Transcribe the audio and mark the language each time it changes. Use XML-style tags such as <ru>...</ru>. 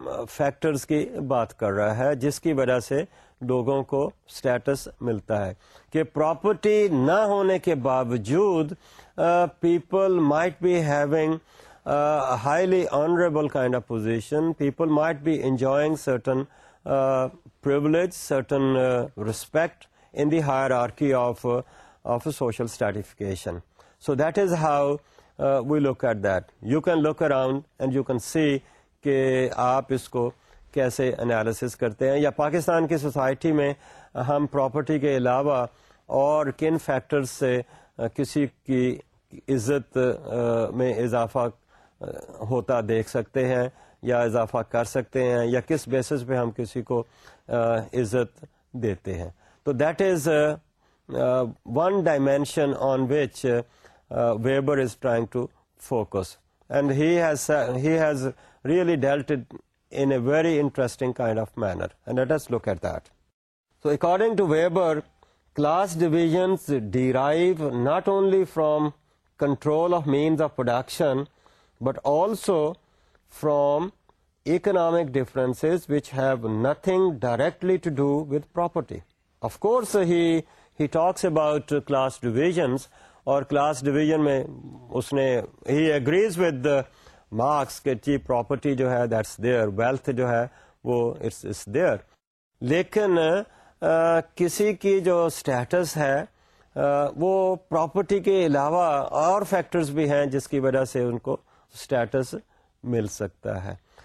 <ur>Factors کی بات کر رہا ہے جس کی وجہ سے لوگوں کو اسٹیٹس ملتا ہے, کہ پراپرٹی نہ ہونے کے باوجود</ur> <en>People might be having highly honourable kind of position, people might be enjoying certain privilege, certain respect in the hierarchy of social stratification. So that is how we look at that. You can look around and you can see</en> <ur>کہ آپ اس کو کیسے analysis کرتے ہیں, یا پاکستان کی society میں ہم پراپرٹی کے علاوہ اور کن فیکٹرز سے کسی کی عزت میں اضافہ ہوتا دیکھ سکتے ہیں یا اضافہ کر سکتے ہیں, یا کس بیسس پہ ہم کسی کو عزت دیتے ہیں.</ur> <en>تو that is one dimension on which Weber is trying to focus, and he has really dealt it in a very interesting kind of manner, and let us look at that. So according to Weber, class divisions derive not only from control of means of production but also from economic differences which have nothing directly to do with property. Of course he talks about class divisions,</en> <ur>اور class division میں اس نے</ur> <en>ہی agrees with Marx</en> <ur>کہ جی property جو ہے</ur> <en>that's there,</en> <ur>wealth جو ہے وہ</ur> <en>it's there,</en> <ur>لیکن کسی کی جو اسٹیٹس ہے وہ پراپرٹی کے علاوہ اور فیکٹرز بھی ہیں جس کی وجہ سے ان کو اسٹیٹس مل سکتا ہے.</ur>